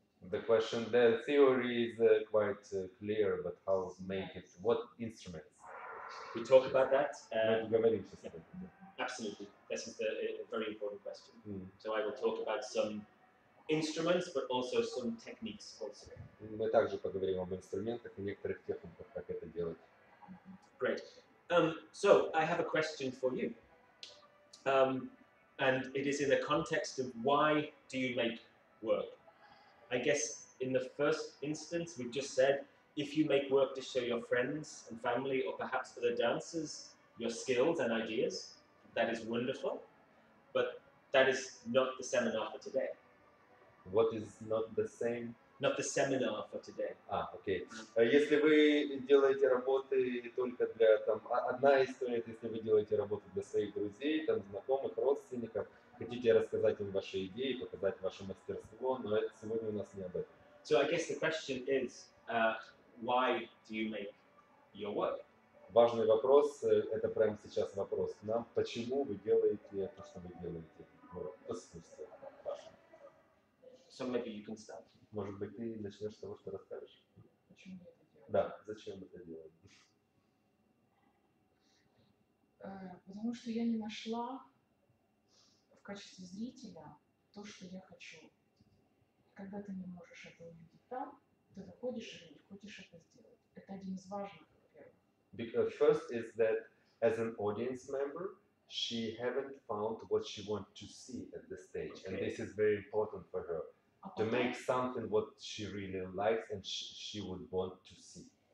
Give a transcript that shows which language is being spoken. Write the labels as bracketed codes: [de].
[en] The question, the theory is quite clear, but how make it? What instruments? We talk about that. Yeah, absolutely. This is a very important question. Mm. So I will talk about some instruments, but also some techniques also. [ru] Мы также поговорим об инструментах и некоторых техниках, как это делать. [en] Great. So I have a question for you. And it is in the context of why do you make work? I guess in the first instance we just said if you make work to show your friends and family or perhaps for the dancers your skills and ideas, that is wonderful. But that is not the seminar for today. What is not the same? Not the seminar for today. Ah, okay. [ru] Если вы делаете работы только для там одна история, если вы делаете работу для своих друзей, там знакомых, родственников, хотите рассказать им ваши идеи, показать ваше мастерство, но это сегодня у нас не об этом. [en] So I guess the question is, why do you make your work? [ru] Важный вопрос, это прямо сейчас вопрос к нам, почему вы делаете то, что вы делаете? Посмотрите. [en] So maybe you can start. [ru] Может быть, ты начнешь с того, что расскажешь? Почему я это делаю? Да, зачем это делать? Потому что я не нашла в качестве зрителя то, что я хочу. Когда ты не можешь это увидеть там, ты заходишь и хочешь это сделать. Это один из важных первых. [en] First is that as an audience member, she haven't found what she wants to see at the stage. Okay. And this is very important for her. To make something what she really likes and she would want to see.